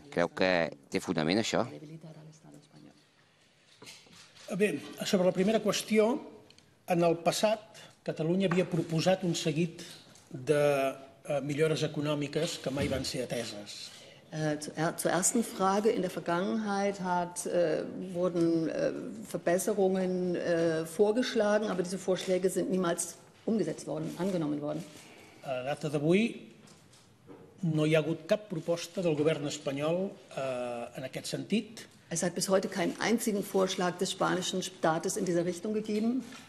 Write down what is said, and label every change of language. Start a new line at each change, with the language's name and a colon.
Catalan: Creu que té fonament això? Bé, sobre la primera qüestió, en el passat Catalunya havia proposat un seguit de millores econòmiques que mai van ser ateses.
German: Zur ersten Frage, in der Vergangenheit wurden Verbesserungen vorgeschlagen, aber diese Vorschläge sind niemals umgesetzt worden, angenommen worden.
Catalan: A data d'avui no hi ha hagut cap proposta del govern espanyol en aquest sentit.
German: Es hat bis heute keinen einzigen Vorschlag des spanischen Staates in dieser Richtung gegeben.